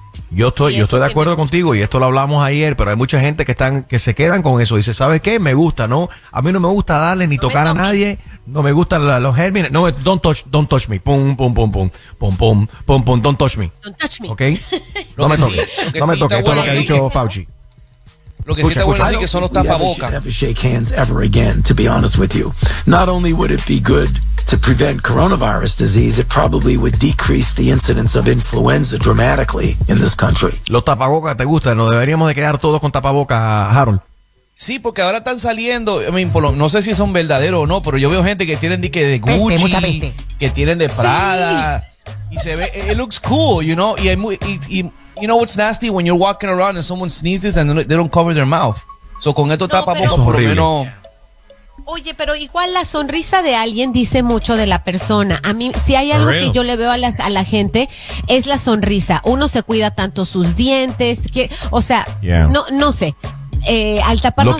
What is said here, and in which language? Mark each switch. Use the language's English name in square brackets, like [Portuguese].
[Spanish] Yo estoy de acuerdo contigo, y esto lo hablamos ayer, pero hay mucha gente que se quedan con eso. Dice, ¿sabes qué? Me gusta, ¿no? A mí no me gusta darle ni tocar a nadie. No me gustan los gérmenes. No, [English] don't touch me. [Spanish] Pum, pum, pum, pum. [English] Pum, pum, pum, pum. Don't touch me. Don't touch me. [Spanish] ¿Ok? No me toques. No me toques. Esto es lo que ha dicho Fauci. Lo que sí te voy a decir que son los tapabocas. [English] Never shake hands ever again, to be honest with you. Not only would it be good to prevent coronavirus disease, it probably would decrease the incidence of influenza dramatically in this country. [Spanish] Los tapabocas, ¿te gustan? ¿No deberíamos de quedar todos con tapabocas, Harold? Sí, porque ahora están saliendo, I mean, por lo, no sé si son verdaderos o no, pero yo veo gente que tienen de, Gucci, peste, mucha peste, que tienen de Prada, sí, y se ve, [English] it looks cool, you know, y, hay muy, y you know what's nasty when you're walking around and someone sneezes and they don't cover their mouth. [Spanish] So con esto no, tapabocas pero, por lo menos... [English] Yeah. [Spanish] Oye, pero igual la sonrisa de alguien dice mucho de la persona. A mí, si hay algo que yo le veo a la gente, es la sonrisa. Uno se cuida tanto sus dientes, que, o sea, no sé. Al taparnos